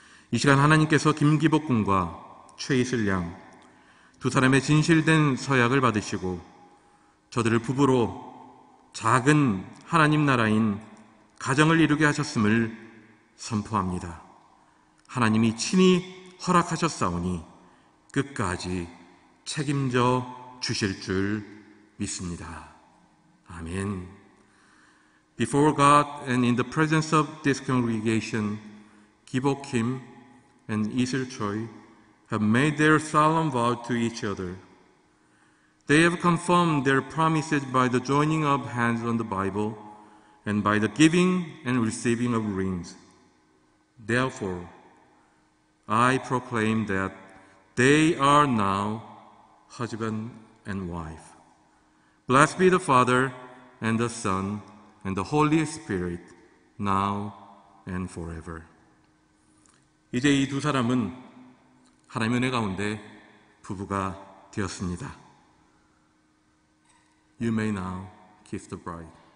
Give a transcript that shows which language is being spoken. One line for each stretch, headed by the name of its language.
Korean: 이 시간 하나님께서 김기복 군과 최이슬 양 두 사람의 진실된 서약을 받으시고 저들을 부부로 작은 하나님 나라인 가정을 이루게 하셨음을 선포합니다. 하나님이 친히 허락하셨사오니 끝까지 책임져 주실 줄 믿습니다. 아멘.
English: Before God and in the presence of this congregation, Gibok Kim and Isil Choi have made their solemn vow to each other. They have confirmed their promises by the joining of hands on the Bible and by the giving and receiving of rings. Therefore, I proclaim that they are now husband and wife. Blessed be the Father and the Son and the Holy Spirit, now and forever.
Korean: 이제 이 두 사람은 하나님의 은혜 가운데 부부가 되었습니다.
English: You may now kiss the bride.